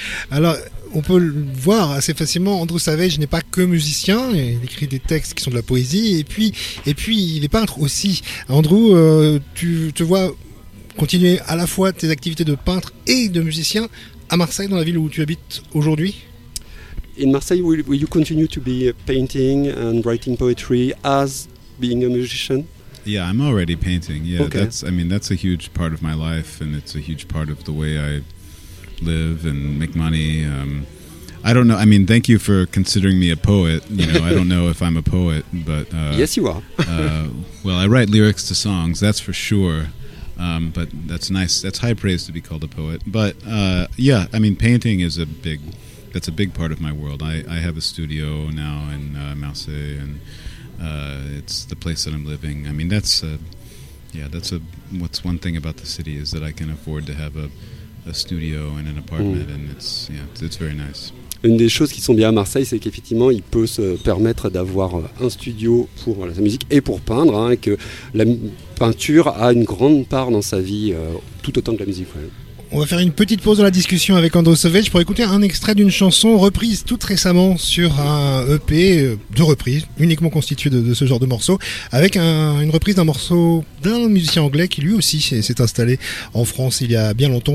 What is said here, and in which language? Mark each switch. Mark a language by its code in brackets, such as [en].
[fr] Alors, on peut le voir assez facilement. Andrew Savage n'est pas que musicien. Il écrit des textes qui sont de la poésie. Et puis il est peintre aussi. Andrew, tu te vois continuer à la fois tes activités de peintre et de musicien à Marseille, dans la ville où tu habites aujourd'hui? [en] In Marseille, will you continue to be painting and writing poetry as being a musician? Yeah, I'm already painting. Yeah, okay. That's a huge part of my life, and it's a huge part of the way I live and make money. I don't know. I mean, thank you for considering me a poet. You know, I don't know if I'm a poet, but yes, you are. well, I write lyrics to songs. That's for sure. But that's nice. That's high praise to be called a poet. But yeah, I mean, painting is that's a big part of my world. I have a studio now in Marseille, and it's the place that I'm living. I mean, what's one thing about the city is that I can afford to have a studio and an apartment, and it's very nice. [fr] Une des choses qui sont bien à Marseille, c'est qu'effectivement, il peut se permettre d'avoir un studio pour sa musique et pour peindre, hein, et que la peinture a une grande part dans sa vie, tout autant que la musique. Ouais. On va faire une petite pause dans la discussion avec Andrew Savage pour écouter un extrait d'une chanson reprise toute récemment sur un EP de reprise, uniquement constitué de ce genre de morceaux, avec une reprise d'un morceau d'un musicien anglais qui lui aussi s'est installé en France il y a bien longtemps.